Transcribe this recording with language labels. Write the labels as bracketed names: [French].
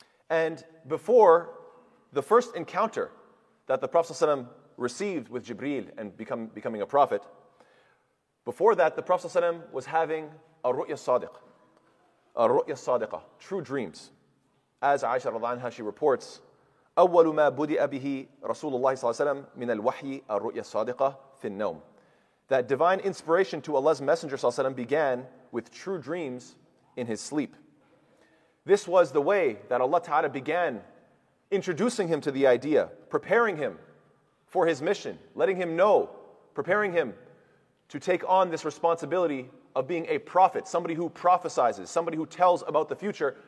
[English] And before the first encounter that the Prophet ﷺ received with Jibreel and becoming a prophet, before that, the Prophet ﷺ was having a ru'ya sadiqa, true dreams. As Aisha radhiyallahu anha, she reports, [Arabic] أول ما بدأ به رسول الله صلى الله عليه وسلم من الوحي الرؤيا الصادقة في النوم. [English] That divine inspiration to Allah's Messenger صلى الله عليه وسلم began with true dreams in his sleep. This was the way that Allah Ta'ala began introducing him to the idea, preparing him for his mission, letting him know, preparing him to take on this responsibility of being a prophet, somebody who prophesizes, somebody who tells about the future.